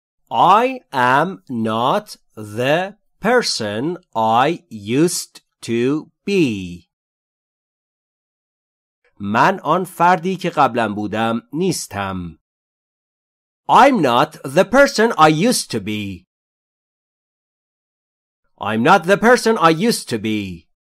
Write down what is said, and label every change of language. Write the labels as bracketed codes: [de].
[en] I am not the person I used to be. [fa] من آن فردی که قبلا بودم نیستم. [en] I'm not the person I used to be. I'm not the person I used to be.